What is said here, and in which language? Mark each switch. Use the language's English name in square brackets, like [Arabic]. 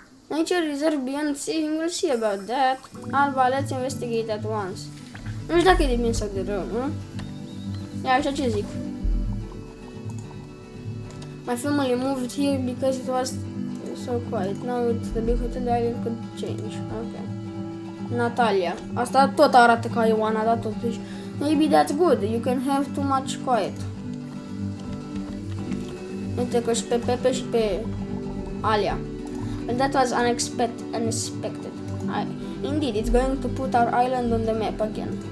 [English] Nature Reserve Beyond Sea, we'll see about that. Alba, let's investigate at once. [Romanian] Nu știu dacă e de bine sau de rău, nu? Ia, așa ce zic. [English] My family moved here because it was so quiet. Now it's the big hotel, the island could change. Okay. Natalia. [Romanian] Asta tot arată ca Ioana, dar totuși. [English] Maybe that's good. You can have too much quiet. [Romanian] Uite că și pe Pepe și pe Alia. [English] And that was unexpected. Indeed, it's going to put our island on the map again.